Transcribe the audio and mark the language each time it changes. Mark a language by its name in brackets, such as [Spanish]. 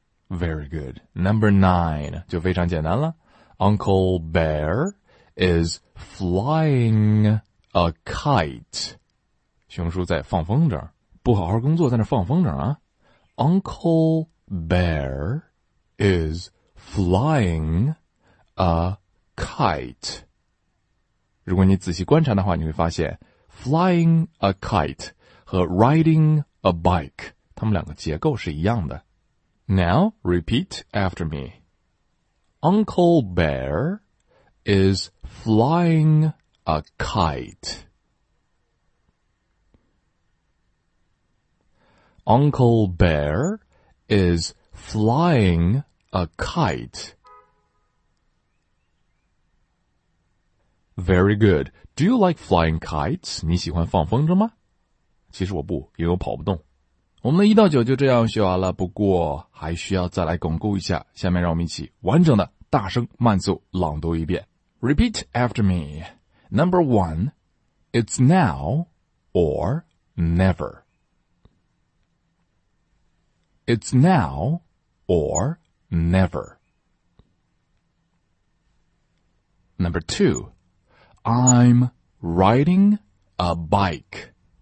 [English] Very good. Number 9, [Chinese] 就非常简单了。 [English] Uncle Bear is flying... A kite. [Chinese] 熊叔在放风筝，不好好工作在那放风筝啊。 [English] Uncle Bear is flying a kite. [Chinese] 如果你仔细观察的话，你会发现 [English] flying a kite [Chinese] 和 [English] riding a bike [Chinese] 它们两个结构是一样的。 [English] Now, repeat after me. Uncle Bear is flying a kite. Uncle Bear is flying a kite. Very good. Do you like flying kites? [Chinese] 你喜欢放风筝吗？其实我不，因为我跑不动。我们的一到九就这样学完了，不过还需要再来巩固一下。下面让我们一起完整的大声慢速朗读一遍。 [English] Repeat after me. Number one, it's now or never. It's now or never. Number two, I'm riding a bike.